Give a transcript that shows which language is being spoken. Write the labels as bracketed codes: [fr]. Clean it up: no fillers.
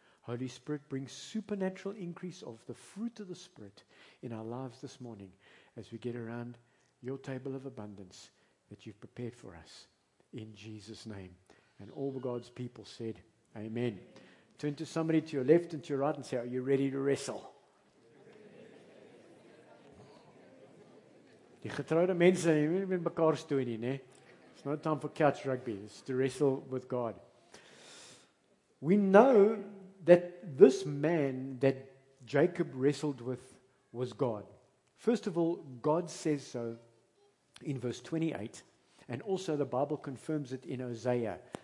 [en] Holy Spirit, bring supernatural increase of the fruit of the Spirit in our lives this morning as we get around your table of abundance that you've prepared for us, in Jesus' name. And all God's people said, amen. Turn to somebody to your left and to your right and say, "Are you ready to wrestle?" [af] Die getroude mense, jy moet nie met mekaar stoei nie, né? [en] It's not time for couch rugby, it's to wrestle with God. We know that this man that Jacob wrestled with was God. First of all, God says so in verse 28, and also the Bible confirms it in Hosea.